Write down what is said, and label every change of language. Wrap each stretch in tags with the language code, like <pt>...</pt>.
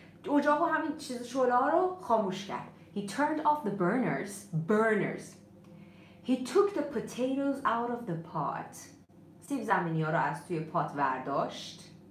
<fa>اجاق و همین چیز شعله رو خاموش کرد.</fa> <en>He turned off the burners. He took the potatoes out of the pot.</en> <fa>سیب زمینی ها رو از توی پات برداشت.</fa>